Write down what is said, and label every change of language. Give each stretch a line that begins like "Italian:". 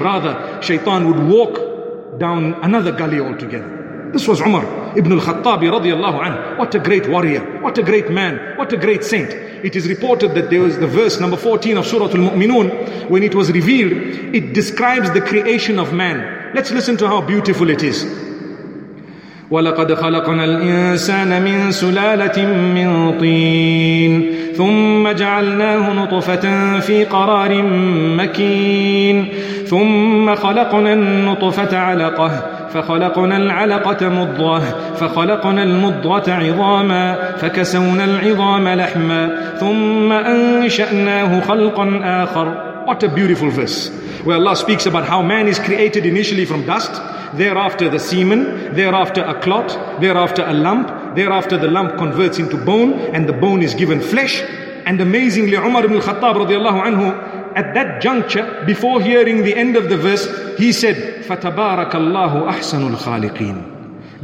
English: Rather, shaitan would walk down another gully altogether. This was Umar ibn al-Khattab radiyallahu anhu. What a great warrior. What a great man. What a great saint. It is reported that there was the verse number 14 of Surah Al-Mu'minun. When it was revealed, it describes the creation of man. Let's listen to how beautiful it is.
Arabic: وَلَقَدْ خَلَقْنَا الْإِنسَانَ مِنْ سُلَالَةٍ مِنْ طِينٍ ثُمَّ جَعَلْنَاهُ نُطْفَةً فِي قَرَارٍ مَكِينٍ ثُمَّ خَلَقْنَا النُّطْفَةَ عَلَقَةً فخلقنا العلقة مضغة فخلقنا المضغة عظاما فكسونا العظام لحما ثم أنشأناه خلقا آخر.
English: What a beautiful verse where Allah speaks about how man is created initially from dust, thereafter the semen, thereafter a clot, thereafter a lump, thereafter the lump converts into bone, and the bone is given flesh. And amazingly, Umar ibn al-Khattab radiallahu anhu, at that juncture, before hearing the end of the verse, he said,
Arabic: فَتَبَارَكَ اللَّهُ أَحْسَنُ الْخَالِقِينَ.